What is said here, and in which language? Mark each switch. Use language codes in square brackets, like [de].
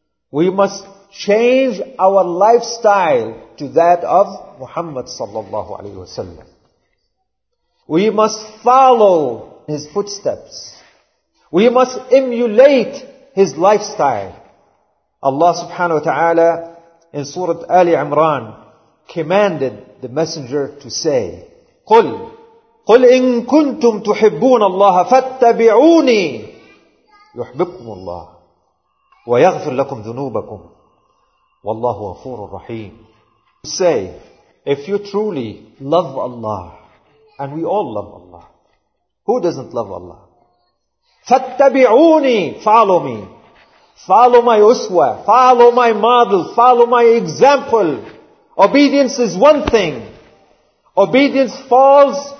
[en] We must change our lifestyle to that of Muhammad sallallahu alayhi wa sallam. We must follow His footsteps. We must emulate His lifestyle. Allah subhanahu wa ta'ala in Surah Ali Imran commanded the Messenger to say, [ar] قُلْ إِن كُنْتُمْ تُحِبُّونَ اللَّهَ فَاتَّبِعُونِي يُحْبِبْكُمُ اللَّهُ وَيَغْفِرْ لَكُمْ ذُنُوبَكُمْ وَاللَّهُ غَفُورُ الرَّحِيمُ. [en] Say, if you truly love Allah, and we all love Allah, who doesn't love Allah? فَاتَّبِعُونِي, follow me. Follow my uswa. Follow my model. Follow my example. Obedience is one thing. Obedience falls